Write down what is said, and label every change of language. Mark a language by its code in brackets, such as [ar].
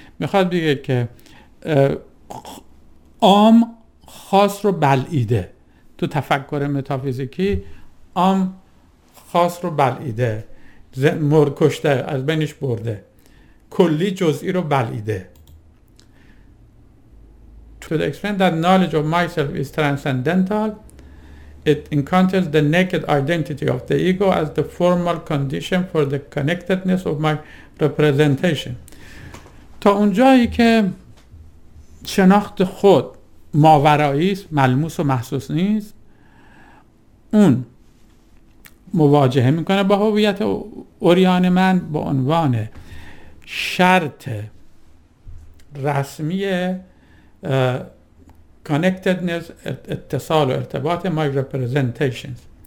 [fa] میخواد بگه که عام خاص رو بل ایده، تو تفکر متافیزیکی عام خاص رو بلعیده، مرد کشته، از بینش برده، کلی جزئی رو بلعیده. [en] To the extent that knowledge of myself is transcendental, it encounters the naked identity of the ego as the formal condition for the connectedness of my representation. [fa] تا اونجایی که شناخت خود ماوراییست، ملموس و محسوس نیست، اون مواجهه میکنه با هویت اوریان من به عنوان شرط رسمی connectedness، اتصال و ارتباط، [en] my representations.